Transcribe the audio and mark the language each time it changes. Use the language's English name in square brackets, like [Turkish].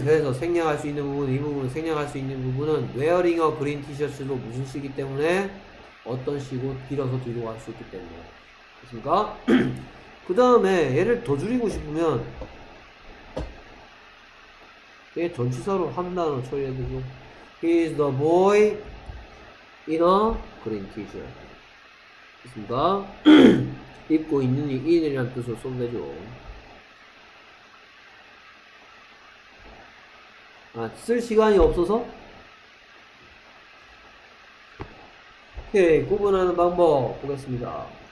[Korean] 그래서 생략할 수 있는 부분, 이 부분 생략할 수 있는 부분은 [English] wearing a green t-shirt [Korean] 도 무슨 시기 때문에 어떤 식으로 길어서 뒤로 갈 수 있기 때문에. 됐습니까? 그 다음에 얘를 더 줄이고 싶으면 얘 전치사로 한 단어 처리해 보죠. [English] He is the boy in a green t-shirt. [Korean] 됐습니까? 입고 있는 이 in이라는 뜻으로 쓰면 되죠. 아, 쓸 시간이 없어서? 오케이, 구분하는 방법 보겠습니다.